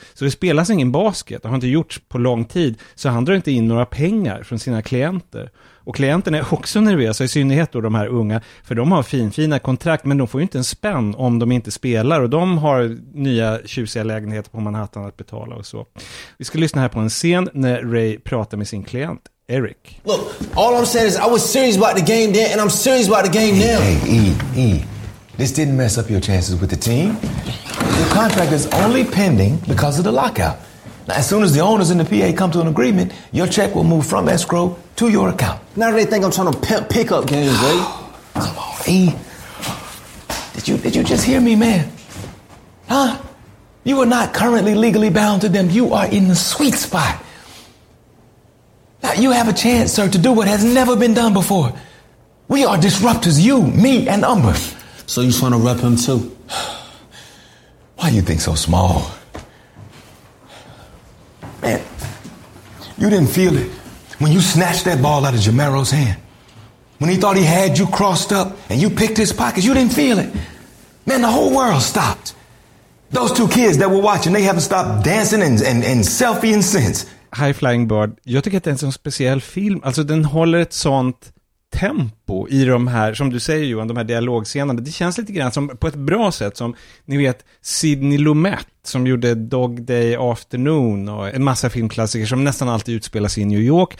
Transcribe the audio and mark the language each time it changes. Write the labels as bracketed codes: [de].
[sv] Så det spelas ingen basket, det har inte gjorts på lång tid. Så han drar inte in några pengar från sina klienter. Och klienterna är också nervösa, i synnerhet då de här unga. För de har finfina kontrakt, men de får ju inte en spänn om de inte spelar. Och de har nya tjusiga lägenheter på Manhattan att betala och så. Vi ska lyssna här på en scen när Ray pratar med sin klient. [en] Eric. Look, all I'm saying is I was serious about the game then, and I'm serious about the game now. Hey, this didn't mess up your chances with the team. The contract is only pending because of the lockout. Now, as soon as the owners and the PA come to an agreement, your check will move from escrow to your account. Now they think I'm trying to pick up games, Ray. Come on, E. Did you just hear me, man? Huh? You are not currently legally bound to them. You are in the sweet spot. You have a chance, sir, to do what has never been done before. We are disruptors, you, me, and Umber. So you just want to rep him too? Why you think so small? Man, you didn't feel it when you snatched that ball out of Jamero's hand. When he thought he had you crossed up and you picked his pockets, you didn't feel it. Man, the whole world stopped. Those two kids that were watching, they haven't stopped dancing and selfieing since. [sv] High Flying Bird, jag tycker att det är en sån speciell film. Alltså den håller ett sånt tempo i de här, som du säger Johan, de här dialogscenarna. Det känns lite grann som, på ett bra sätt, som ni vet Sidney Lumet som gjorde Dog Day Afternoon och en massa filmklassiker som nästan alltid utspelas i New York.